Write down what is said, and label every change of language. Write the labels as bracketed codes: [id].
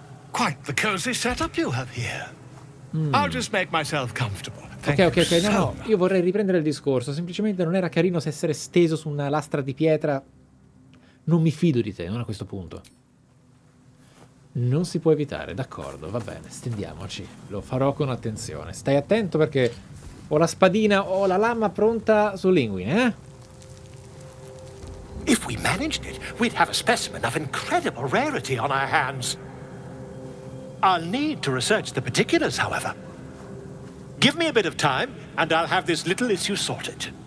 [en] Quite the cozy setup you have here. I'll just make myself comfortable. [it] Ok, no. Io vorrei riprendere il discorso. Semplicemente non era carino se essere steso su una lastra di pietra. Non mi fido di te, non a questo punto. Non si può evitare, d'accordo, va bene, stendiamoci. Lo farò con attenzione. Stai attento perché... Ho la spadina, ho la lama pronta sull'inguine, eh? [en] If we managed it, we'd have a specimen of incredible rarity on our hands. I'll need to research the particulars, however. Give me a bit of time, and I'll have this little issue sorted.